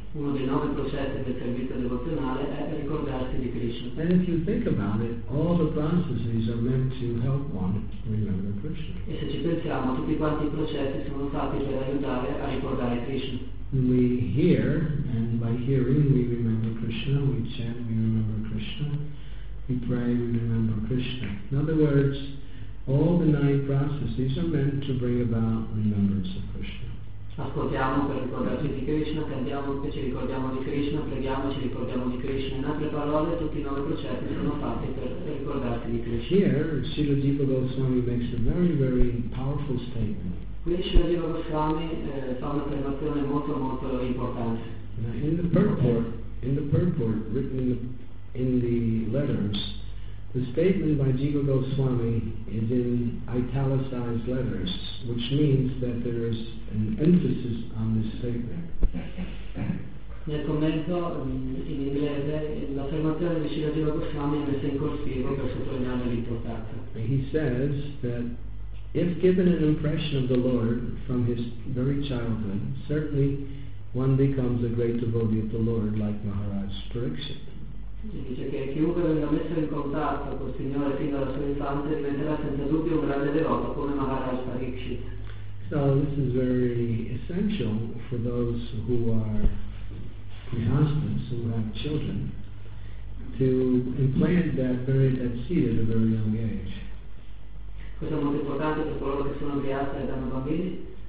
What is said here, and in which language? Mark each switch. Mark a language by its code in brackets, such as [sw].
[en] And if you think about it, all the processes are meant to help one remember Krishna. We hear, and by hearing we remember Krishna, we chant, we remember Krishna. We pray, we remember Krishna. In other words, all the nine processes are meant to bring about remembrance of Krishna. [it] Ascoltiamo per ricordarci di Krishna, cantiamo e ci ricordiamo di Krishna, preghiamo e ci ricordiamo di Krishna. In altre parole, tutti i nove processi sono fatti per ricordarsi di Krishna. [en] Here, Srila Jiva Goswami makes a very, very powerful statement. [it] Qui Srila Jiva Goswami fa un'affermazione molto, molto importante. [en] In the purport, written in the letters, the statement by Jiva Goswami is in italicized letters, which means that there is an emphasis on this statement. [it] Nel commento in inglese l'affermazione di Srila Jiva Goswami è messa in corsivo per sottolineare l'importanza. [en] He says that if given an impression of the Lord from his very childhood, certainly one becomes a great devotee of the Lord like Maharaj Pariksit. [it] Dice che chiunque venga messo in contatto col Signore fin dalla sua infanzia diventerà senza dubbio un grande devoto come Maharaj Pariksit. [en] So this is very essential for those who are grihasthas, who have children, to implant that seed at a very young age. [it] Questo è molto importante per coloro che sono grihasthas e danno bambini.